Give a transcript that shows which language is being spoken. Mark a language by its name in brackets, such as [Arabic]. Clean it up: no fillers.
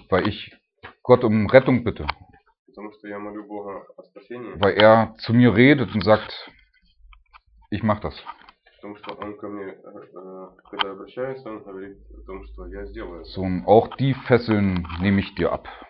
[German] Weil ich Gott um Rettung bitte. [Russian] Потому что я молю Бога о спасении. [German] Weil er zu mir redet und sagt, ich mach das. [Russian] Потому что он ко мне, когда обращается, он говорит о том, что я сделаю. [German] So, und auch die Fesseln nehme ich dir ab.